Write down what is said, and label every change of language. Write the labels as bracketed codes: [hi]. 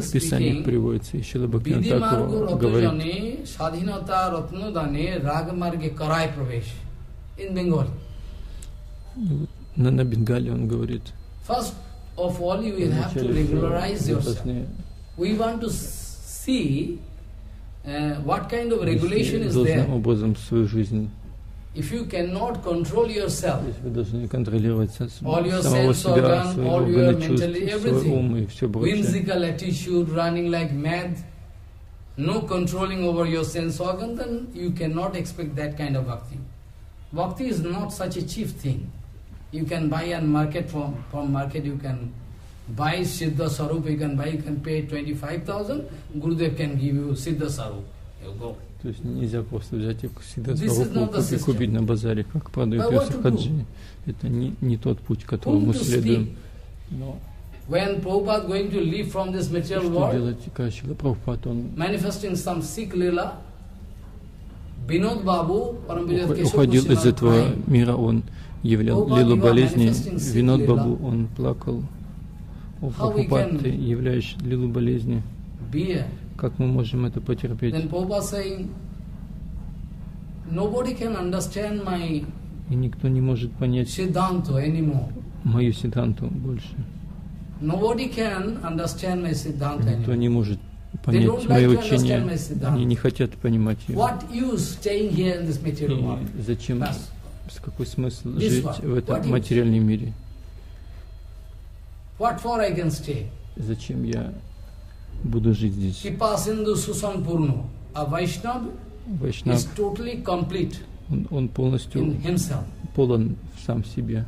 [ru] в Писании приводится, и Шрила Бхактивинода Тхакур говорит, [bn] садхината ратна дане раг марге карай [en] правеш in Bengali. [ru] На Бенгале он говорит, [en] first of all you will have to regularize yourself. We want to see what kind of regulation is there. [ru] Должным образом свою жизнь. [en] If you cannot control yourself, [ru] вы должны контролировать самого себя, свои органы чувств, свой ум и все прочее. [en] Whimsical attitude, running like mad, no controlling over your sense organ, then you cannot expect that kind of bhakti. Bhakti is not such a cheap thing. You can buy and market from market, you can buy Siddha Sarup, you can buy, you can pay 25,000, Gurudev can give you Siddha Sarup. You go. [ru] То есть нельзя просто взять и всегда и купить на базаре, как падает в Сахаджи. Это не тот путь, которому следуем. [en] When Prabhupada going to leave from this material world, manifesting some sick lila, Vinod Babu, [ru] уходил из этого мира, он являл лилу болезни. Винод Бабу, он плакал. О, Прабхупад, ты являешь лилу болезни. Как мы можем это потерпеть? [en] Then Prabhupada saying, nobody can understand my. [ru] И никто не может понять Сиддханту [en] anymore. [ru] Мою Сиддханту больше. [en] Nobody can understand my Siddhanta. [ru] Никто не может понять мое учение. Они не хотят понимать его. [en] What use staying here in this material world? [ru] Зачем, с какой смысл жить в этом материальном мире? [en] What for I can stay? [ru] Зачем я буду жить здесь? [en] Kripasindhu Susampurno, a Vaishnava is totally complete. [ru] Он полностью полон в сам себе.